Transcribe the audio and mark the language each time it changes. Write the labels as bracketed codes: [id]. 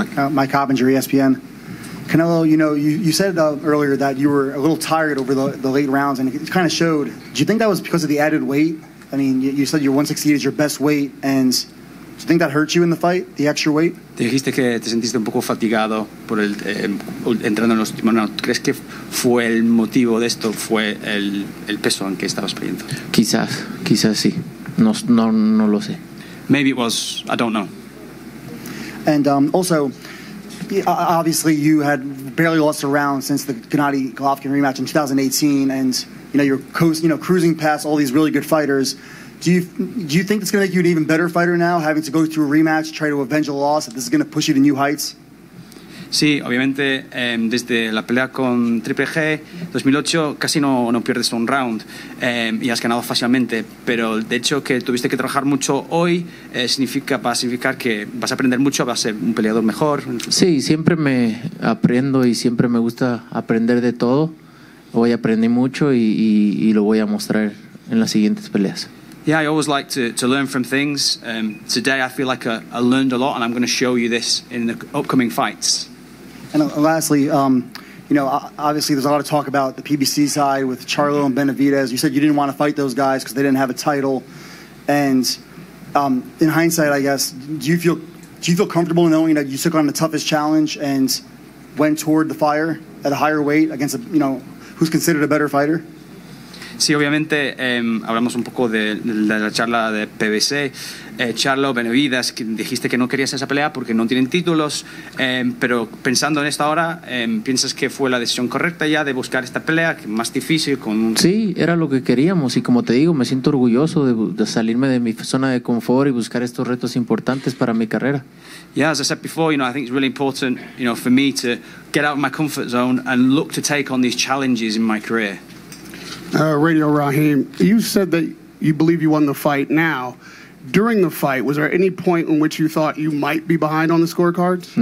[en] Mike Coppinger, ESPN. Canelo, you know, you said earlier that you were a little tired over the late rounds, and it kind of showed. Do you think that was because of the added weight? I mean, you said your 168 is your best weight, and do you think that hurt you in the fight, the extra weight? [es] Dijiste que te sentiste un poco fatigado por el entrando en los últimos rounds. ¿Crees que fue el motivo de esto? ¿Fue el peso en que estabas perdiendo? Quizás sí. No lo sé. [en] Maybe it was. I don't know. And also, obviously, you had barely lost a round since the Gennady Golovkin rematch in 2018, and you know you're cruising past all these really good fighters. Do you think it's going to make you an even better fighter now, having to go through a rematch, try to avenge a loss? That this is going to push you to new heights? [es] Sí, obviamente, desde la pelea con Triple G 2008 casi no pierdes un round, y has ganado fácilmente, pero de hecho que tuviste que trabajar mucho hoy va a significar que vas a aprender mucho, vas a ser un peleador mejor. Sí, siempre me aprendo y siempre me gusta aprender de todo. Hoy aprendí mucho y lo voy a mostrar en las siguientes peleas. [en] Yeah, I always like to learn from things. Today, I feel like I learned a lot, and I'm going to show you this in the upcoming fights. And lastly, you know, obviously there's a lot of talk about the PBC side with Charlo and Benavidez. You said you didn't want to fight those guys because they didn't have a title. And in hindsight, I guess, do you feel comfortable knowing that you took on the toughest challenge and went toward the fire at a higher weight against a, you know, who's considered a better fighter? [es] Sí, obviamente, hablamos un poco de la charla de PBC. Charlo, Benavidez, dijiste que no querías esa pelea porque no tienen títulos, pero pensando en esto ahora, ¿piensas que fue la decisión correcta ya de buscar esta pelea, que más difícil? Sí, era lo que queríamos, y como te digo, me siento orgulloso de salirme de mi zona de confort y buscar estos retos importantes para mi carrera. [en] Yeah, as I said before, you know, I think it's really important, you know, for me to get out of my comfort zone and look to take on these challenges in my career. Radio Raheem, you said that you believe you won the fight. Now, during the fight, was there any point in which you thought you might be behind on the scorecards?